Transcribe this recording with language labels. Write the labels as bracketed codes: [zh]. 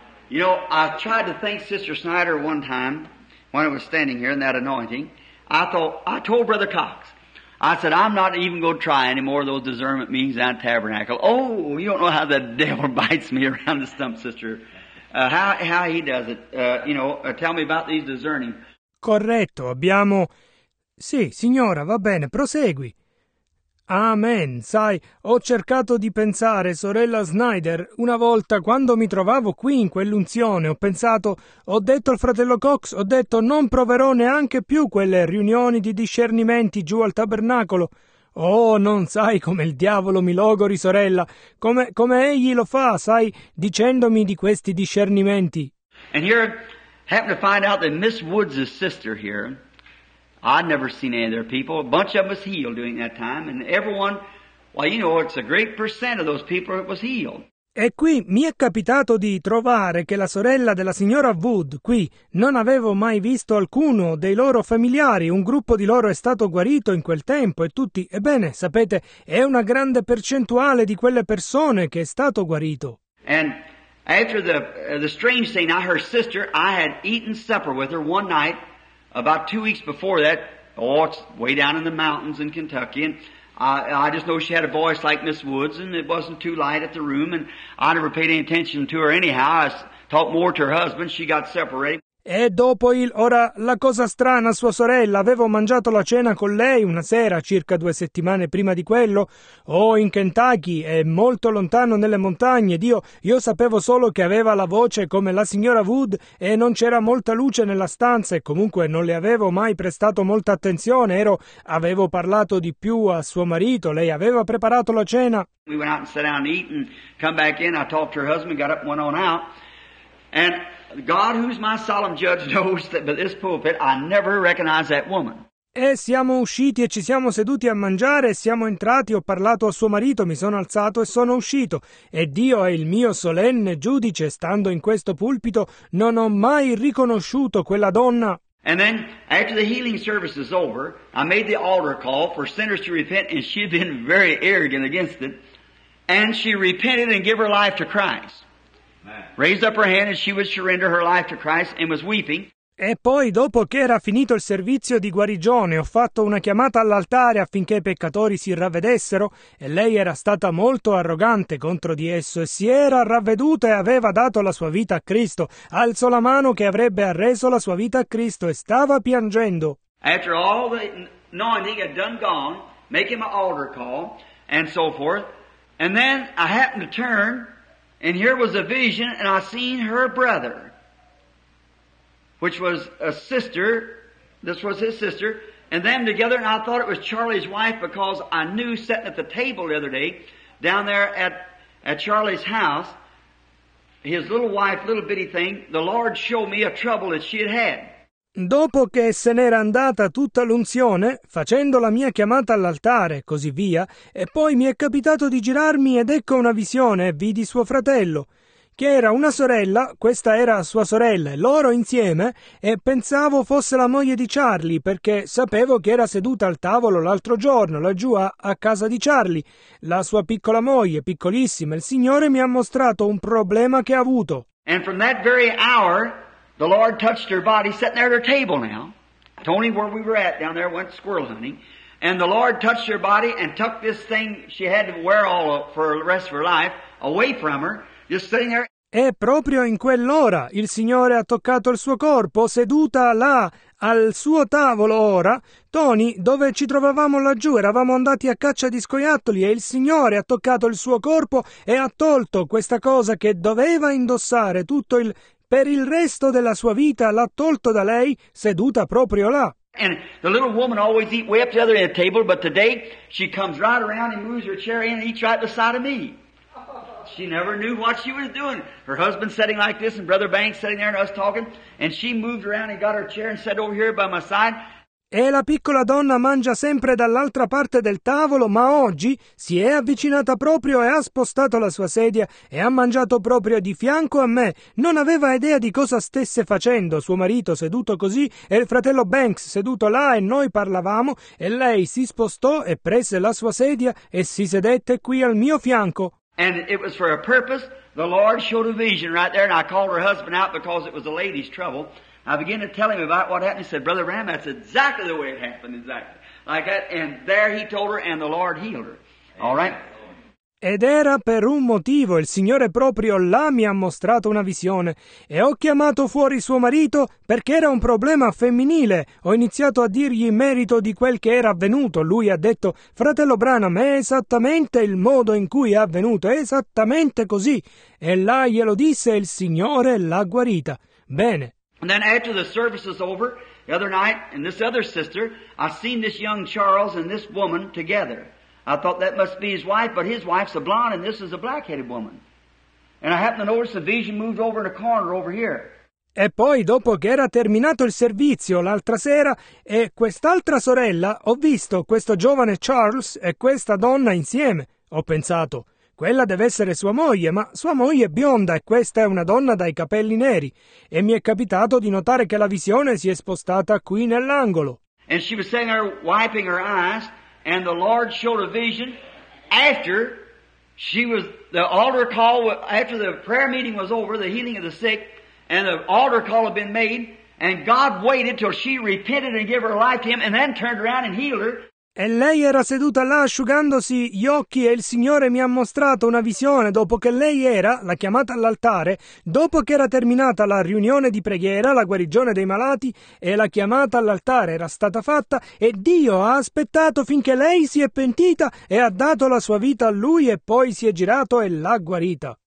[en] You know, I tried to thank Sister Snyder one time when I was standing here in that anointing. I told Brother Cox, I said, I'm not even going to try any more of those discernment meetings at Tabernacle. Oh, you don't know how the devil bites me around the stump, sister. How he does it. Tell me about these discerning. [it] Corretto, abbiamo... Sì, signora, va bene, prosegui. Amen. Sai, ho cercato di pensare, sorella Snyder, una volta quando mi trovavo qui in quell'unzione, ho detto al fratello Cox, non proverò neanche più quelle riunioni di discernimenti giù al tabernacolo. Oh, non sai come il diavolo mi logori, sorella, come egli lo fa, sai, dicendomi di questi discernimenti. [en] And here, happen to find out that Miss Woods' sister here, I'd never seen any of their people. A bunch of them was healed during that time. And everyone, well, you know, it's a great percent of those people that was healed. [it] E qui mi è capitato di trovare che la sorella della signora Wood, qui, non avevo mai visto alcuno dei loro familiari. Un gruppo di loro è stato guarito in quel tempo e tutti, ebbene, sapete, è una grande percentuale di quelle persone che è stato guarito. [en] And after the strange thing, I heard sister, I had eaten supper with her one night, about 2 weeks before that, it's way down in the mountains in Kentucky, and I just know she had a voice like Miss Woods, and it wasn't too light at the room, and I never paid any attention to her anyhow. I talked more to her husband. She got separated. [it] E dopo il... Ora, la cosa strana, sua sorella, avevo mangiato la cena con lei una sera, circa 2 settimane prima di quello. Oh, in Kentucky, è molto lontano nelle montagne. Io sapevo solo che aveva la voce come la signora Wood e non c'era molta luce nella stanza e comunque non le avevo mai prestato molta attenzione. Avevo parlato di più a suo marito, lei aveva preparato la cena. [en] We went out and sat down to eat and come back in. I talked to her husband, got up and went on out. And God, who's my solemn judge, knows that by this pulpit I never recognize that woman. [it] E siamo usciti e ci siamo seduti a mangiare, siamo entrati, ho parlato a suo marito, mi sono alzato e sono uscito. E Dio è il mio solenne giudice, stando in questo pulpito, non ho mai riconosciuto quella donna. [en] And then, after the healing service is over, I made the altar call for sinners to repent, and she had been very arrogant against it, and she repented and gave her life to Christ. Raised up her hand and she would surrender her life to Christ and was weeping. [it] E poi, dopo che era finito il servizio di guarigione, ho fatto una chiamata all'altare affinché i peccatori si ravvedessero, e lei era stata molto arrogante contro di esso, e si era ravveduta e aveva dato la sua vita a Cristo. Alzò la mano che avrebbe arreso la sua vita a Cristo e stava piangendo. [en] After all the anointing had done gone, making my altar call, and so forth, and then I happened to turn, and here was a vision, and I seen her brother, which was a sister, this was his sister, and them together, and I thought it was Charlie's wife because I knew sitting at the table the other day, down there at Charlie's house, his little wife, little bitty thing, the Lord showed me a trouble that she had had. [it] Dopo che se n'era andata tutta l'unzione, facendo la mia chiamata all'altare, così via, e poi mi è capitato di girarmi ed ecco una visione, vidi suo fratello, che era una sorella, questa era sua sorella, e loro insieme, e pensavo fosse la moglie di Charlie, perché sapevo che era seduta al tavolo l'altro giorno, laggiù a casa di Charlie, la sua piccola moglie, piccolissima, il Signore mi ha mostrato un problema che ha avuto. [en] And from that very hour, the Lord touched her body, sitting there at her table now. Tony, where we were at down there, went squirrel hunting. And the Lord touched her body and took this thing she had to wear all of, for the rest of her life away from her, just sitting there. [it] E proprio in quell'ora il Signore ha toccato il suo corpo, seduta là, al suo tavolo ora, Tony, dove ci trovavamo laggiù, eravamo andati a caccia di scoiattoli e il Signore ha toccato il suo corpo e ha tolto questa cosa che doveva indossare tutto il... Per il resto della sua vita l'ha tolto da lei, seduta proprio là. [en] And the little woman always eat way up the other end of the table, but today she comes right around and moves her chair in and eats right beside of me. She never knew what she was doing. Her husband sitting like this and Brother Banks sitting there and us talking, and she moved around and got her chair and sat over here by my side. [it] E la piccola donna mangia sempre dall'altra parte del tavolo, ma oggi si è avvicinata proprio e ha spostato la sua sedia e ha mangiato proprio di fianco a me. Non aveva idea di cosa stesse facendo, suo marito seduto così e il fratello Banks seduto là e noi parlavamo e lei si spostò e prese la sua sedia e si sedette qui al mio fianco. [en] And it was for a purpose. The Lord showed a vision right there and I called her husband out because it was a lady's trouble. I began to tell him about what happened. He said, Brother Ram, that's exactly the way it happened, exactly. Like that, and there he told her, and the Lord healed her. All right? [it] Ed era per un motivo, il Signore proprio là mi ha mostrato una visione. E ho chiamato fuori suo marito perché era un problema femminile. Ho iniziato a dirgli in merito di quel che era avvenuto. Lui ha detto, fratello Branham, è esattamente il modo in cui è avvenuto, è esattamente così. E là glielo disse, il Signore l'ha guarita. Bene. [en] And then after the service is over, the other night, and this other sister, I seen this young Charles and this woman together. I thought that must be his wife, but his wife's a blonde and this is a black-headed woman. And I happened to notice the vision moved over in a corner over here. [it] E poi, dopo che era terminato il servizio l'altra sera, e quest'altra sorella, ho visto questo giovane Charles e questa donna insieme. Ho pensato, quella deve essere sua moglie, ma sua moglie è bionda e questa è una donna dai capelli neri. E mi è capitato di notare che la visione si è spostata qui nell'angolo. [en] And she was sitting there wiping her eyes. And the Lord showed a vision after she was, the altar call, after the prayer meeting was over, the healing of the sick, and the altar call had been made, and God waited till she repented and gave her life to him, and then turned around and healed her. [it] E lei era seduta là asciugandosi gli occhi e il Signore mi ha mostrato una visione dopo che lei era, la chiamata all'altare, dopo che era terminata la riunione di preghiera, la guarigione dei malati e la chiamata all'altare era stata fatta e Dio ha aspettato finché lei si è pentita e ha dato la sua vita a Lui e poi si è girato e l'ha guarita.